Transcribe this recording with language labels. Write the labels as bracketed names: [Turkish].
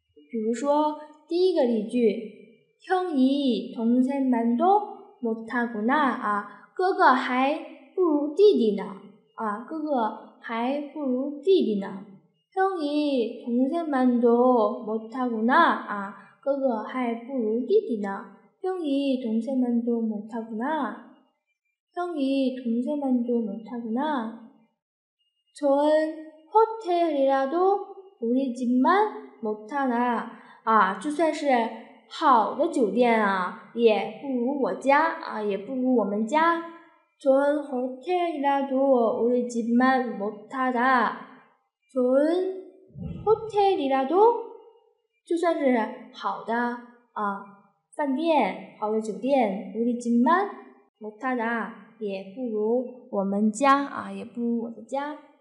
[Chinese] 比如说第一个例句， [Korean] 형이동생만도못하구나 [Chinese] 啊，哥哥还不如弟弟呢啊，哥哥还不如弟弟呢。 [Korean] 형이동생만도못하구나 [Chinese] 啊，哥哥还不如弟弟呢。 [Korean] 형이동생만도못하구나，형이동생만도못하구나。 좋은호텔이라도우리집만못하나 [Chinese] 啊，就算是好的酒店啊，也不如我家啊，也不如我们家。 [Korean] 좋은호텔이라도우리집만못하다， 좋은호텔이라도， [Chinese] 就算是好的啊饭店，好的酒店， [Korean] 우리집만못하다， [Chinese] 也不如我们家啊，也不如我的家。